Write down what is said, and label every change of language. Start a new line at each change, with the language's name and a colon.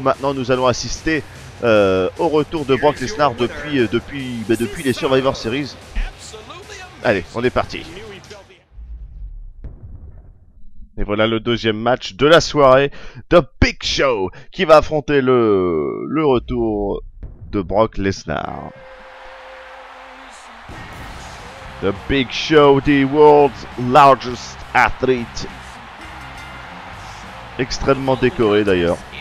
French: Maintenant, nous allons assister au retour de Brock Lesnar depuis les Survivor Series. Allez, on est parti. Et voilà le deuxième match de la soirée, The Big Show, qui va affronter le retour de Brock Lesnar.
English: The Big Show, the world's largest athlete.
French: Extrêmement décoré d'ailleurs.